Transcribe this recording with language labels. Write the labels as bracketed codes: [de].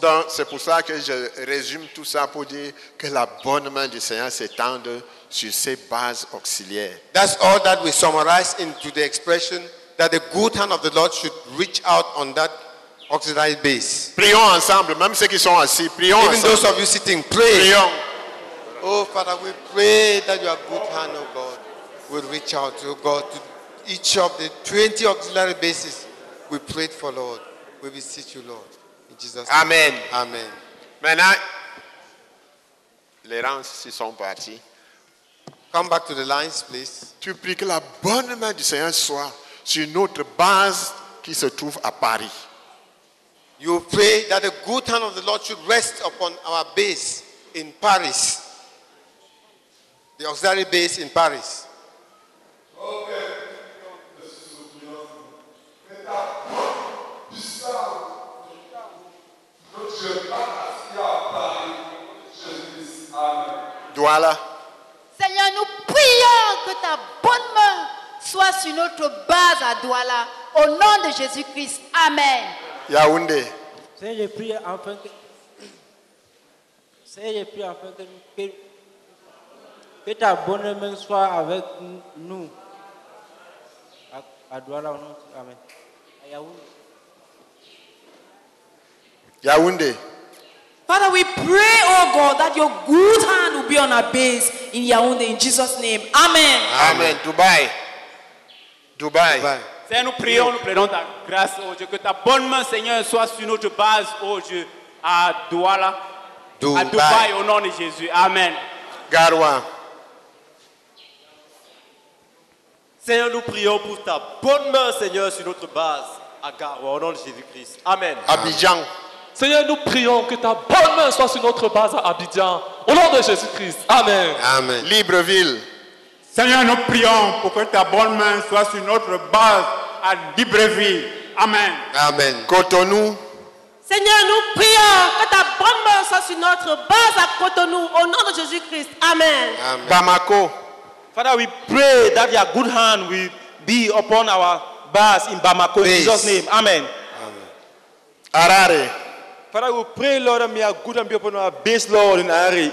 [fr] Donc, c'est pour ça que je résume tout ça pour dire que la bonne main du Seigneur s'étend sur ces bases auxiliaires. [en] That's all that we summarize into the expression that the good hand of the Lord should reach out on that auxiliary base. [fr] Prions ensemble, même ceux qui sont assis, prions [en] even [fr] ensemble. [en] Those of you sitting, pray. [fr] Prions. [en] Oh, Father, we pray that your good hand, oh God, will reach out, oh God, to each of the 20 auxiliary bases we prayed for, Lord. We beseech you, Lord. In Jesus' name. Amen. [fr] Maintenant, les rangs s'y sont partis. [en] Come back to the lines, please. [fr] Tu pries que la bonne main du Seigneur soit sur notre base qui se trouve à Paris. [en] You pray that the good hand of the Lord should rest upon our base in Paris. The auxiliary base in Paris. Okay. [fr] Douala. Seigneur, nous prions que ta bonne main soit sur notre base à Douala. Au nom de Jésus-Christ. Amen. Yaoundé. Seigneur, je prie afin que. Seigneur, je prie afin que nous. Que ta bonne main soit avec nous. À Douala, au nom de Amen. Yaoundé. Yaoundé. [en] Father, we pray, oh God, that your good hand will be on our base in Yaoundé, in Jesus' name. Amen. Amen. Dubai. Dubai. Dubai. [fr] Seigneur, nous prions, nous prenons ta grâce, oh Dieu, que ta bonne main, Seigneur, soit sur notre base, oh Dieu, à Douala, Dubai. À Dubai, au nom de Jésus. Amen. Garoua. Seigneur, nous prions pour ta bonne main, Seigneur, sur notre base, à Garoua, au nom de Jésus-Christ. Amen. Abidjan. Seigneur, nous prions que ta bonne main soit sur notre base à Abidjan, au nom de Jésus-Christ. Amen. Amen. Libreville. Seigneur, nous prions pour que ta bonne main soit sur notre base à Libreville. Amen. Amen. Cotonou. Seigneur, nous prions que ta bonne main soit sur notre base à Cotonou, au nom de Jésus-Christ. Amen. Amen. Bamako. [en] Father, we pray that your good hand will be upon our base in Bamako. Base. In Jesus' name. Amen. Amen. Harare. Father, we pray, Lord, that may our good hand be upon our base, Lord, in Harare.